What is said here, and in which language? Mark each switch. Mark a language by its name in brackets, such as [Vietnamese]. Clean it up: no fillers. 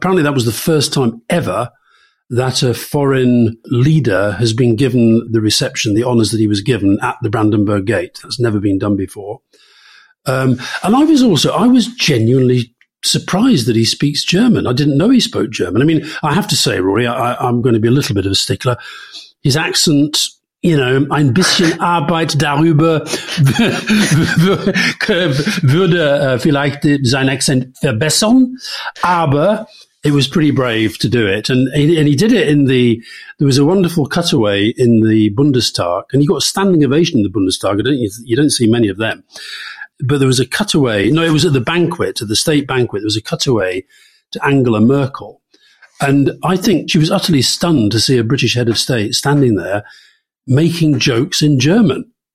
[English] Apparently, that was the first time ever that a foreign leader has been given the reception, the honours that he was given at the Brandenburg Gate. That's never been done before. And I was also, I was genuinely surprised that he speaks German. I didn't know he spoke German. I mean, I have to say, Rory, I'm going to be a little bit of a stickler. His accent, you know, [German] ein bisschen Arbeit darüber würde vielleicht sein Akzent verbessern, aber [English] it was pretty brave to do it. And he did it in the, there was a wonderful cutaway in the Bundestag, and he got a standing ovation in the Bundestag. You don't see many of them. But there was a cutaway. No, it was at the banquet, at the state banquet. There was a cutaway to Angela Merkel. And I think she was utterly stunned to see a British head of state standing there making jokes in German.